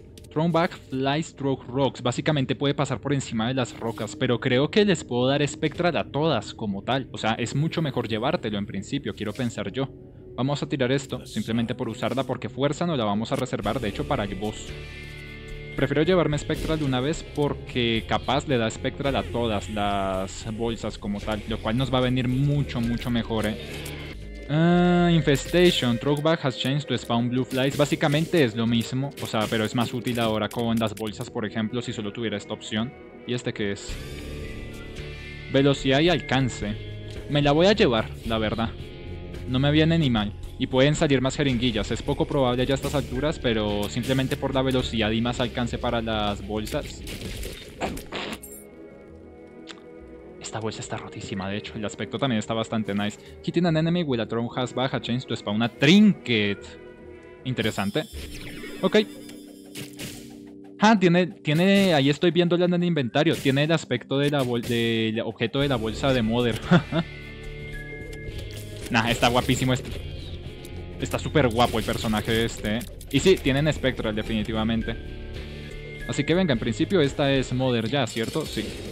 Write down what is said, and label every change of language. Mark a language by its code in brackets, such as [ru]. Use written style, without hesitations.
[en] Throneback flies through rocks. [es] Básicamente puede pasar por encima de las rocas. Pero creo que les puedo dar Spectral a todas como tal. O sea, es mucho mejor llevártelo en principio, quiero pensar yo. Vamos a tirar esto, simplemente por usarla, porque fuerza no la vamos a reservar, de hecho, para el boss. Prefiero llevarme Spectral de una vez porque capaz le da Spectral a todas las bolsas como tal. Lo cual nos va a venir mucho, mucho mejor, ¿eh? [en] Infestation. Throwback has changed to spawn blue flies. [es] Básicamente es lo mismo. O sea, pero es más útil ahora con las bolsas, por ejemplo, si solo tuviera esta opción. ¿Y este qué es? Velocidad y alcance. Me la voy a llevar, la verdad. No me viene ni mal. Y pueden salir más jeringuillas, es poco probable ya a estas alturas, pero simplemente por la velocidad y más alcance para las bolsas. Esta bolsa está rotísima, de hecho, el aspecto también está bastante nice. [en] Hitting an enemy with a throne has back a chance to spawn a trinket. [es] Interesante. Ok. Tiene, ahí estoy viéndola en el inventario, tiene el aspecto de la del objeto de la bolsa de Mother. Nah, está guapísimo este. Está súper guapo el personaje este, ¿eh? Y sí, tienen Spectral, definitivamente. Así que venga, en principio esta es Mother ya, ¿cierto? Sí.